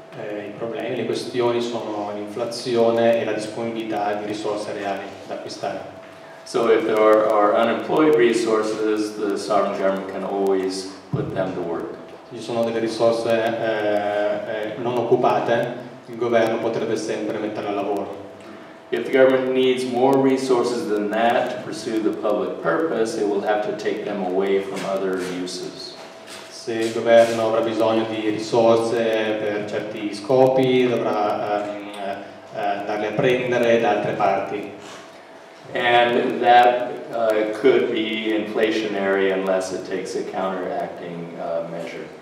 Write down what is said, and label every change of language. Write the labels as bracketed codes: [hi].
[it] I problemi, le questioni sono l'inflazione e la disponibilità di risorse reali da acquistare. [en] So if there are unemployed resources, the sovereign government can always put them to work. [it] Se ci sono delle risorse non occupate, il governo potrebbe sempre metterle a lavoro. [en] If the government needs more resources than that to pursue the public purpose, it will have to take them away from other uses. [it] Se il governo avrà bisogno di risorse per certi scopi, dovrà darle a prendere da altre parti. [en] And that could be inflationary unless it takes a counteracting measure.